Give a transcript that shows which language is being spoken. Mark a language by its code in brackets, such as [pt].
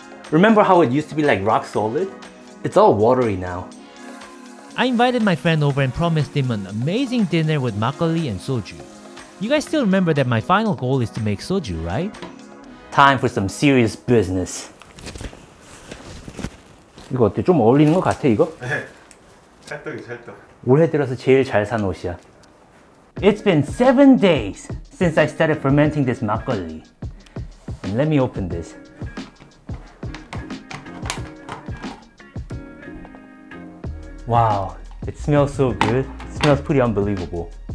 [en] Remember how it used to be like rock solid? It's all watery now. I invited my friend over and promised him an amazing dinner with makgeolli and soju. You guys still remember that my final goal is to make soju, right? Time for some serious business. [ko] 이거 어때? 좀 어울리는 거 같아, 이거? 네, 찰떡이 찰떡. 올해 들어서 제일 잘 산 옷이야. [en] It's been 7 days since I started fermenting this makgeolli. Let me open this. Wow, it smells so good. It smells pretty unbelievable.